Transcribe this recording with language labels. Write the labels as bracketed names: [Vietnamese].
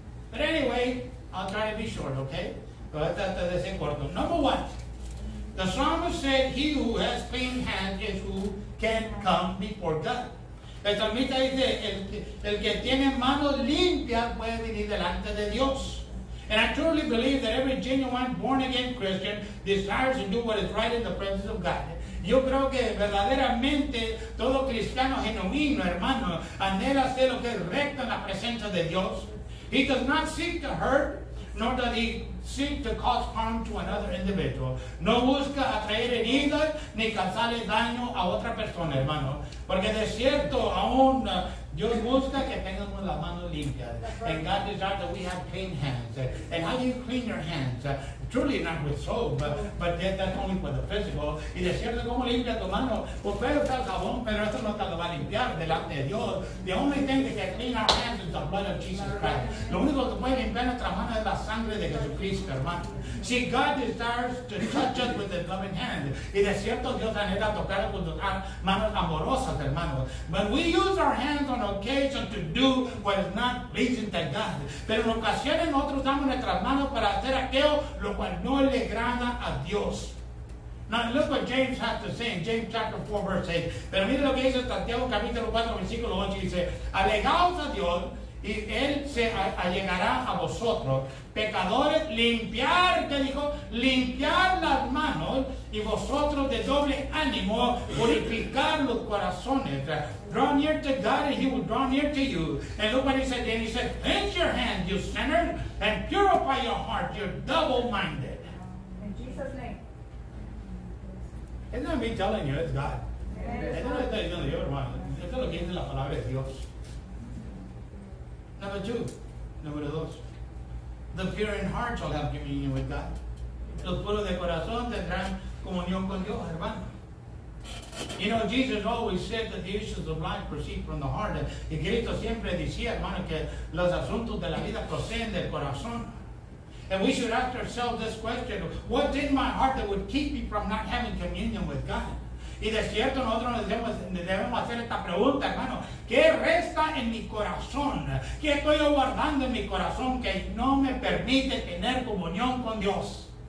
[English] But anyway, I'll try to be short, okay? Number one, the psalmist said, he who has clean hands is who can come before God. [Spanish] El salmista dice, el que tiene manos limpias puede venir delante de Dios. [English] And I truly believe that every genuine born-again Christian desires to do what is right in the presence of God. [Spanish] Yo creo que verdaderamente todo cristiano genuino, hermano, anhela hacer lo que es recto en la presencia de Dios. [English] He does not seek to hurt, nor does he seek to cause harm to another individual. [Spanish] No busca atraer herida ni causarle daño a otra persona, hermano. Porque de cierto, aún Dios busca que tengamos las manos limpias. [English] Right. And God desires that we have clean hands. And how do you clean your hands? Truly not with soap, but that's only for the physical. [Spanish] Y de cierto, ¿cómo limpia tu mano? Pues puede usar jabón, pero esto no te lo va a limpiar delante de Dios. [English] The only thing that can clean our hands is the blood of Jesus Christ. [Spanish] Lo único que puede limpiar nuestra mano es la sangre de Jesucristo, hermano. [English] See, God desires to touch us with his loving hand. [Spanish] Y de cierto, Dios anhela tocar con tus manos amorosas, hermano. [English] But we use our hands on occasion to do what is not pleasing to God. [Spanish] Pero en ocasiones nosotros damos nuestras manos para hacer aquello lo cual no le agrada a Dios. [English] Now look what James has to say in James chapter 4 verse 8. [Spanish] Pero mire lo que dice Santiago capítulo 4 versículo 8. Dice, alegaos a Dios y él se allegará a vosotros. Pecadores, limpiar, ¿qué dijo? Limpiar las manos y vosotros de doble ánimo purificar los corazones. [English] Draw near to God and he will draw near to you. And look what he said then. He said, cleanse your hand, you sinner, and purify your heart, you double-minded. In Jesus' name. Isn't that me telling you? It's God. [Spanish] Eso lo está diciendo yo, hermano. Eso lo que dice la palabra de Dios. [English] Number two. Number two. The pure in heart shall have communion with God. [Spanish] Los puros de corazón tendrán comunión con Dios, hermano. [English] You know, Jesus always said that the issues of life proceed from the heart. [Spanish] Y Cristo siempre decía, hermano, que los asuntos de la vida proceden del corazón. [English] And we should ask ourselves this question, what's in my heart that would keep me from not having communion with God? [Spanish] Y de cierto, nosotros debemos hacer esta pregunta, hermano. ¿Qué resta en mi corazón? ¿Qué estoy guardando en mi corazón que no me permite tener comunión con Dios?